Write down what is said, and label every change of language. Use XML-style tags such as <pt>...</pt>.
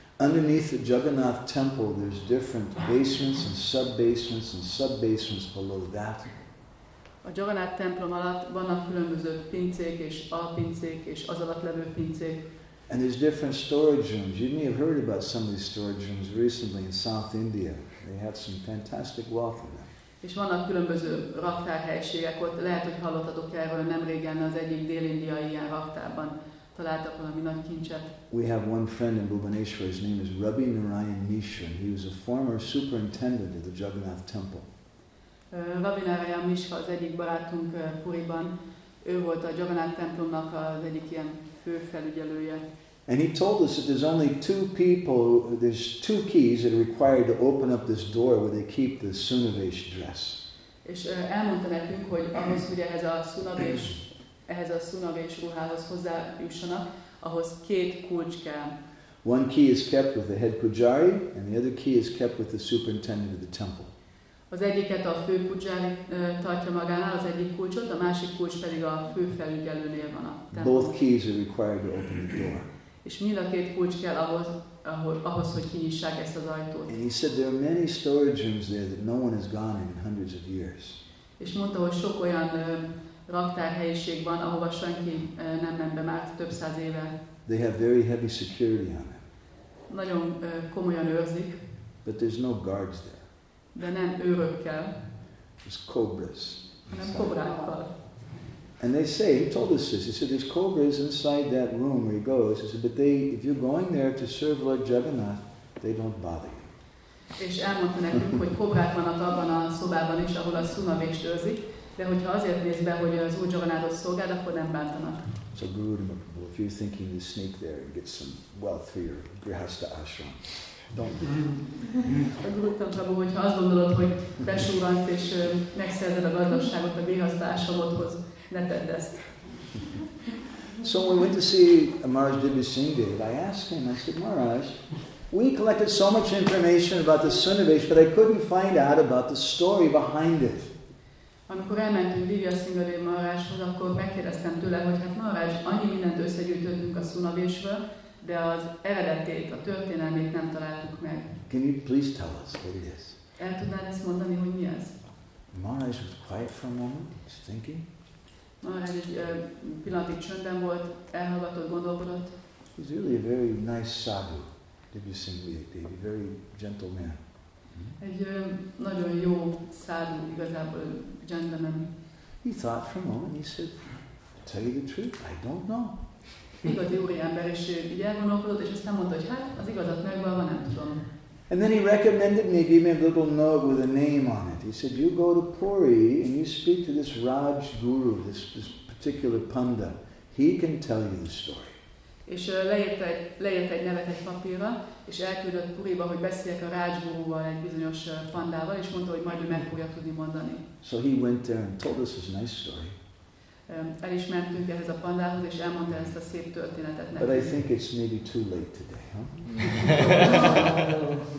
<en>Underneath the Jagannath temple there's different basements and sub-basements and sub-basements below that.</en> <hu>A Jagannath templom alatt vannak különböző pincék és alpincék és az alatt levő pincék.</hu> <en>And there's different storage rooms. You may have heard about some of these storage rooms recently in South India. They have some fantastic wealth in them.</en> <hu>És vannak különböző raktárhelyiségek, ott lehet, hogy hallottatok erről nemrégen az egyik dél-indiai ilyen raktárban. Találtak valami nagy kincset.</hu> <en>We have one friend in Bhubaneswar, his name is Rabbi Narayan Mishra, and he was a former superintendent of the Jagannath temple.</en> <hu>Rabbi Narayan Mishra az egyik barátunk Puriban, ő volt a Jagannath templomnak az egyik ilyen fő felügyelője.</hu> <en>And he told us that there's only two people, there's two keys that are required to open up this door where they keep the Sunavesh dress.</en> <hu>És elmondta nekünk, hogy ahhoz, hogy ehhez a Sunavesh ehhez a Sunavesh ruhához hozzájussanak, ahhoz két kulcs kell.</hu> <en>One key is kept with the head pujari, and the other key is kept with the superintendent of the temple.</en> <hu>Az egyiket a fő pujari tartja magánál, az egyik kulcsot, a másik kulcs pedig a fő felügyelőnél van a templom.</hu> <en>Both keys are required to open the door.</en> <hu>És mind a két kulcs kell ahhoz, ahhoz hogy kinyissák ezt az ajtót.</hu> <en>And he said there are many storage rooms there that no one has gone in hundreds of years.</en> <hu>És mondta, hogy sok olyan raktárhelyiség van, ahova senki nem ment be már több száz éve.</hu> <en>They have very heavy security on it.</en> <hu>Nagyon komolyan őrzik.</hu> <en>But there's no guards there.</en> <hu>De nem őrökkel.</hu> <en>There's cobras.</en> <hu>Hanem kobrákkal.</hu> <en>And they say, he told us this, he said, there's cobras inside that room where he goes. He said, but they, if you're going there to serve Lord Jagannath, they don't bother you.</en> <hu>És elmondta nekünk, hogy kobrák vannak abban a szobában is, ahol a Sunavesht őrzik. De hogyha azért néz be, hogy az Úr Jagannáthot szolgál, akkor nem bántanak.</hu> <en>So Guru, if you're thinking to sneak there and get some wealth for your grihastha ashram, don't.</en> <hu>A Guru Tantrabu, hogyha azt gondolod, hogy besúrant és megszerzed a gazdagságot a grihastha ashramodhoz, ne tedd ezt.</hu> <en>So we went to see Maharaj Dibrasingdev. I asked him, I said, Maharaj, we collected so much information about the Sunavesh, but I couldn't find out about the story behind it.</en> <hu>Amikor elmentünk Divyasingadev Maharajhoz, akkor megkérdeztem tőle, hogy hát Maharaj, annyi mindent összegyűjtöttünk a Sunavesh-ről, de az eredetét, a történelmét nem találtuk meg.</hu> <en>Can you please tell us what it is?</en> <hu>El tudnád ezt mondani, hogy mi ez?</hu> <en>Maharaj was quiet for a moment, just thinking.</en> <hu>Maharaj egy pillanatig csöndben volt, elhallgatott, gondolkodott.</hu> <en>He's really a very nice sadhu, Divyasingadev, a very gentle man.</en> <hu>Egy nagyon jó szádú, igazából gentleman.</hu> <en>He thought for a moment, he said, tell you the truth, I don't know.</en> <hu>Igazi úriember, és így elgondolkodott, és aztán mondta, hogy hát, az igazat megvalva, nem tudom.</hu> <en>And then he recommended me, gave me a little note with a name on it. He said, you go to Puri, and you speak to this Raj Guru, this particular Panda. He can tell you the story.</en> <hu>És leírt egy nevet egy papírra, és elküldött Puriba, hogy beszéljek a rácsgurúval, egy bizonyos pandával, és mondta, hogy majd ő meg fogja tudni mondani.</hu> <en>So he went there and told us his nice story.</en> <hu>El is mentünk ehhez a pandához, és elmondta ezt a szép történetet nekünk.</hu> <en>But I think it's maybe too late today, huh?</en>